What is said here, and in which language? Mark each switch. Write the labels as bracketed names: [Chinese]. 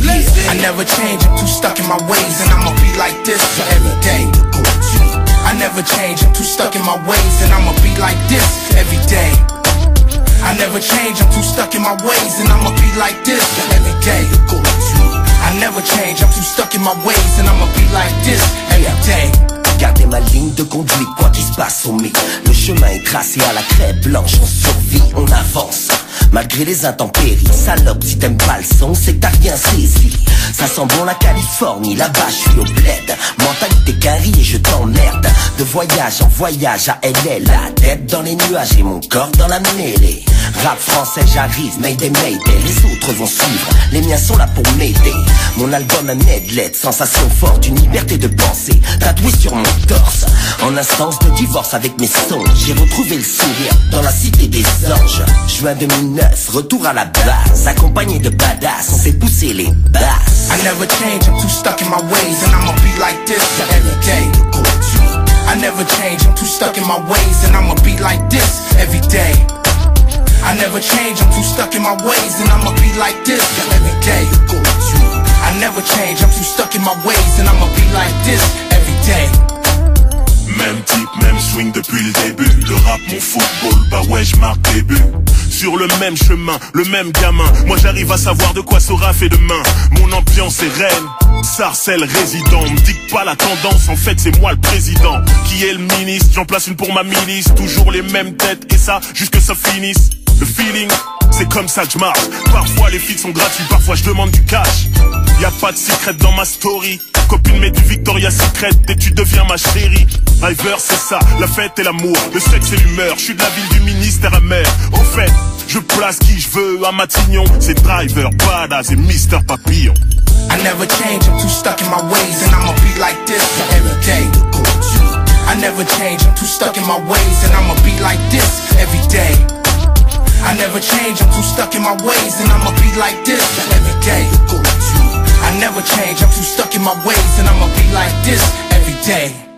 [English] Yeah. I never change, I'm too stuck in my ways, and I'ma be like this every day. I never change, I'm too stuck in my ways, and I'ma be like this every day. I never change, I'm too stuck in my ways, and I'ma be like this every day. I never change, I'm too stuck in my ways, and I'ma be like this every day. [French] Garder ma ligne de conduite, quoi qu'il se passe au mic. Le chemin est tracé à la craie blanche. On survit, on avance, malgré les intempéries. Salope, si t'aimes pas le son, c'est que t'as rien saisi. Ça sent bon la Californie, là-bas je suis au bled. Mentalité carrée, je t'emmerde. De voyage en voyage à LA. La tête dans les nuages et mon corps dans la mêlée. Rap français, j'arrive, mayday, mayday. Les autres vont suivre, les miens sont là pour m'aider. Mon album un medley, sensation forte, une liberté de penser. Tatoué sur mon torse, en instance de divorce avec mes songes. J'ai retrouvé le sourire dans la cité des anges. Juin 2009, retour à la base. Accompagné de badass, on fait pousser les basses. [English] I never change, I'm too stuck in my ways, and I'ma be like this every day. I never change, I'm too stuck in my ways, and I'ma be like this every day. I never change, I'm too stuck in my ways, and I'ma be like this every day. I never change, I'm too stuck in my ways, and I'ma be like this every day. [French] Même type, même swing depuis le début. De rap, mon football, bah ouais, j'marque des buts. Sur le même chemin, le même gamin. Moi j'arrive à savoir de quoi sera fait demain. Mon ambiance est reine, sarcelle résident. M'dicte pas la tendance, en fait c'est moi le président. Qui est le ministre, j'en place une pour ma milice. Toujours les mêmes têtes, et ça, jusque ça finisse. Le feeling, c'est comme ça que j'marche. Parfois les feats sont gratuits, parfois j'demande du cash. Y'a pas de secret dans ma story. Copine met du Victoria Secret et tu deviens ma chérie. Driver c'est ça, la fête et l'amour. Le sexe et l'humeur, je suis de la ville du ministère amer. Au fait, je place qui je veux à Matignon. C'est Driver, Badass et Mister Papillon. [English] I never change, I'm too stuck in my ways. And I'ma be like this every day. I never change, I'm too stuck in my ways. And I'ma be like this every day. I never change, I'm too stuck in my ways. And I'ma be like this every day. I never change, I'm too stuck in my ways, and I'ma be like this every day.